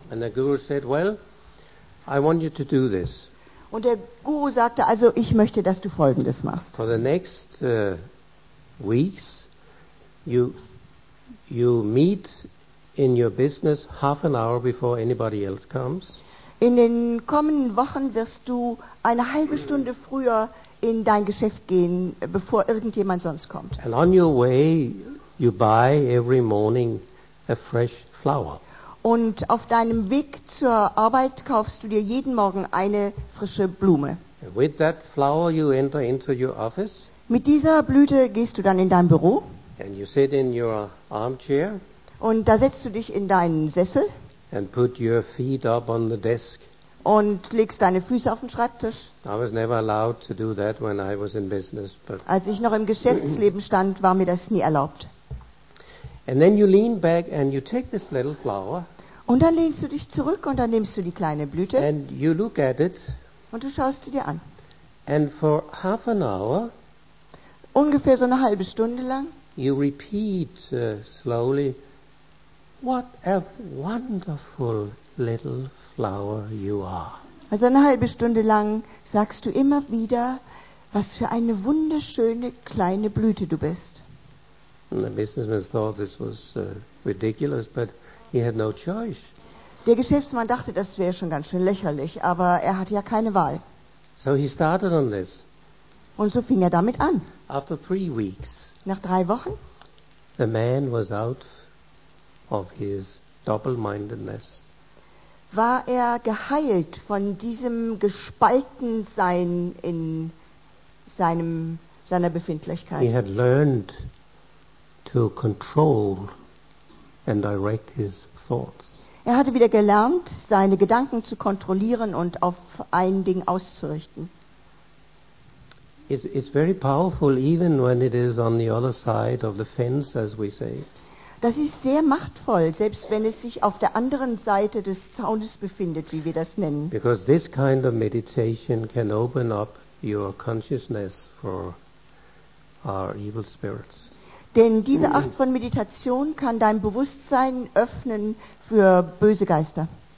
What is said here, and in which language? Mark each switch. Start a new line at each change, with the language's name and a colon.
English: And the guru said, well, I want you to do this.
German: Und der Guru sagte, also ich möchte, dass du Folgendes machst.
English: For the next weeks, you meet in your business half an hour before anybody else comes.
German: In den kommenden Wochen wirst du eine halbe Stunde früher in dein Geschäft gehen, bevor irgendjemand sonst kommt.
English: And on your way, you buy every morning a fresh flower.
German: Und auf deinem Weg zur Arbeit kaufst du dir jeden Morgen eine frische Blume.
English: With that flower you enter into your office.
German: Mit dieser Blüte gehst du dann in dein Büro.
English: And you sit in your armchair.
German: Und da setzt du dich in deinen Sessel.
English: And put your feet up on the desk.
German: Und legst deine Füße auf den Schreibtisch.
English: I was never allowed to do that when I was in business.
German: But als ich noch im Geschäftsleben stand, war mir das nie erlaubt.
English: And then you lean back and you take this little flower.
German: Und dann lehnst du dich zurück und dann nimmst du die kleine Blüte.
English: And you look at it.
German: Und du schaust sie dir an.
English: And for half an hour.
German: Ungefähr so eine halbe Stunde lang.
English: You repeat slowly. What a wonderful little flower you are.
German: Also eine halbe Stunde lang sagst du immer wieder, was für eine wunderschöne kleine Blüte du bist.
English: And the businessman thought this was ridiculous, but he had no choice.
German: Der Geschäftsmann dachte, das wäre schon ganz schön lächerlich, aber er hatte ja keine Wahl.
English: So he started on this.
German: Und so fing er damit an.
English: After 3 weeks.
German: Nach 3 Wochen.
English: The man was out of his double-mindedness.
German: War er geheilt von diesem Gespaltensein in seiner Befindlichkeit?
English: He had learned to control and direct his thoughts.
German: Er hatte wieder gelernt, seine Gedanken zu kontrollieren und auf ein Ding auszurichten.
English: It's very powerful, even when it is on the other side of the fence, as we say.
German: Das ist sehr machtvoll, selbst wenn es sich auf der anderen Seite des Zaunes befindet, wie wir das nennen.
English: Because this kind of meditation can open up your consciousness for our evil spirits.
German: Denn diese Art von Meditation kann dein Bewusstsein öffnen für böse Geister.